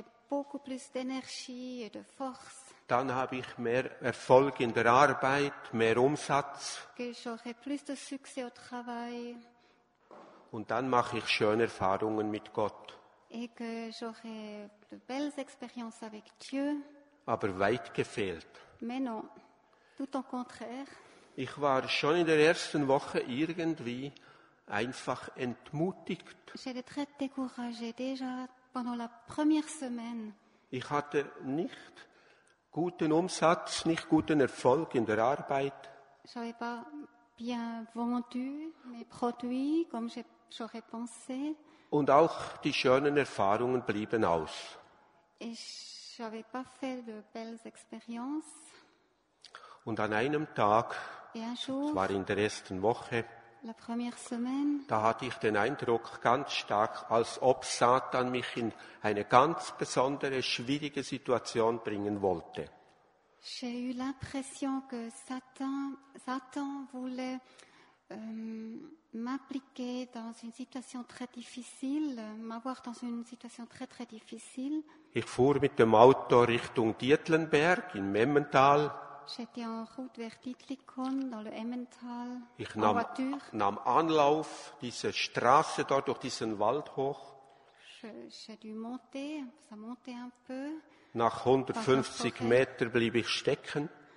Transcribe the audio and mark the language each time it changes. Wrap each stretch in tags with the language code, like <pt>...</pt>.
<fr>Beaucoup plus d'énergie et de force.</fr> <de>Dann habe ich mehr Erfolg in der Arbeit, mehr Umsatz.</de> <fr>J'aurai plus de succès au travail.</fr> <de>Und dann mache ich schöne Erfahrungen mit Gott.</de> <fr>Et que j'aurai de belles expériences avec Dieu.</fr> <de>Aber weit gefehlt.</de> <fr>Mais non, tout au contraire.</fr> <de>Ich war schon in der ersten Woche irgendwie einfach entmutigt.</de> <fr>J'étais très découragée déjà. Pendant la première semaine,</fr> <de>ich hatte nicht guten Umsatz, nicht guten Erfolg in der Arbeit.</de> <fr>J'avais pas bien vendu mes produits, comme j'aurais pensé.</fr> <de>Und auch die schönen Erfahrungen blieben aus.</de> <fr>J'avais pas fait de belles expériences.</fr> <de>Und an einem Tag, das war in der ersten Woche,</de> <fr>la première semaine,</fr> <de>da hatte ich den Eindruck ganz stark, als ob Satan mich in eine ganz besondere, schwierige Situation bringen wollte.</de> <fr>J'ai eu l'impression que Satan voulait m'appliquer dans une situation très difficile, m'avoir dans une situation très très difficile.</fr> <de>Ich fuhr mit dem Auto Richtung Dietlenberg in Memmental.</de> <fr>J'étais en route vers Dietlikon, dans le Emmental,</fr> <de>ich nahm Anlauf, diese Straße dort durch diesen Wald hoch.</de> <fr>J'ai dû monter, ça montait un peu.</fr> <de>Nach 150 Metern blieb ich stecken.</de>